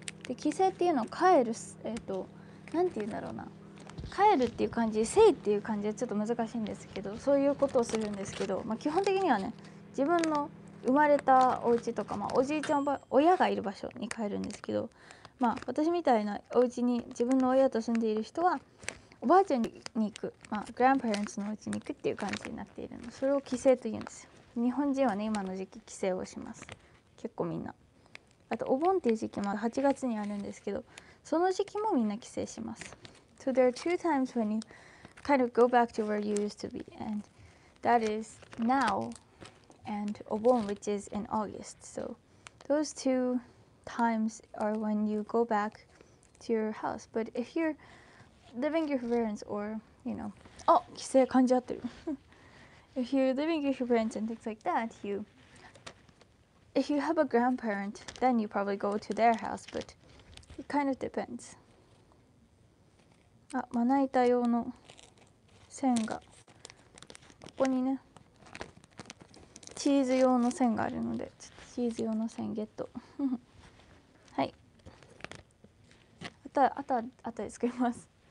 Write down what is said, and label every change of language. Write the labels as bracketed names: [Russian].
[Japanese] で、帰省っていうのを帰る、なんて言うんだろうな、帰るっていう感じ、生っていう感じはちょっと難しいんですけど、そういうことをするんですけど、まあ、基本的にはね、自分の生まれたお家とか、まあ、おじいちゃんおば親がいる場所に帰るんですけど、まあ、私みたいなお家に自分の親と住んでいる人はおばあちゃんに行く、まあ、グランパレンツのうちに行くっていう感じになっているの。それを帰省と言うんですよ。日本人はね、今の時期帰省をします。結構みんな、あとお盆っていう時期も8月にあるんですけど、その時期もみんな帰省します。 [English] So there are two times when you kind of go back to where you used to be, and that is now and お盆 which is in August. So those two times are when you go back to your house. But if you'reliving your parents or you know, oh, [Japanese] 帰省感じ合ってる。 [English] If you're living with your parents and things like that, you, if you have a grandparent, then you probably go to their house, but it kind of depends. [Japanese] あ、まな板用の線がここにね、チーズ用の線があるので、ちょっとチーズ用の線ゲット。はい、あとで作ります。